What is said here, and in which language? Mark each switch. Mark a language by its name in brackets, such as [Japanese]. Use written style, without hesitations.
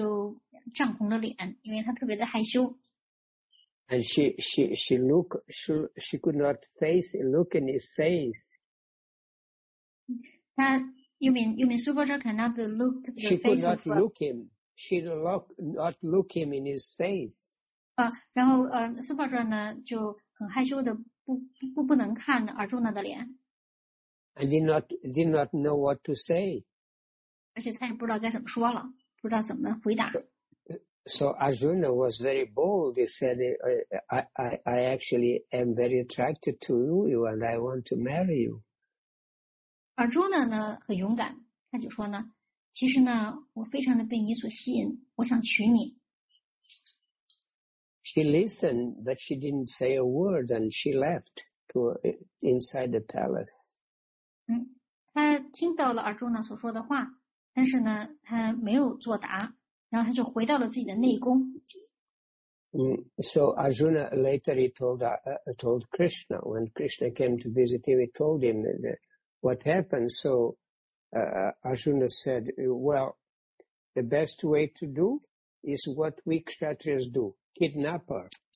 [Chinese] 然后苏伯哲一下呢就涨红了脸，因为他特别的害羞。 [English] And she could not face look in his face. 他, you mean Subhadra cannot look the she face could not look him. She could not look him in his face. [Chinese] 然后苏伯哲呢就很害羞的不能看Arjuna的脸。 [English] And did not know what to say. [Chinese] 而且他也不知道该怎么说了，不知道怎么回答。So [English] Arjuna was very bold. He said, "I actually am very attracted to you, and I want to marry you." [Chinese] Arjuna 呢很勇敢，他就说呢，其实呢，我非常的被你所吸引，我想娶你。She [English] listened, but she didn't say a word, and she left to inside the palace. [Chinese] 嗯，他听到了Arjuna所说的话。但是呢,他没有作答,然后他就回到了自己的内宫。 [English] So Arjuna later he told Krishna, when Krishna came to visit him, he told him what happened. So Arjuna said, well, the best way to do is what we Kshatriyas do, kidnap her.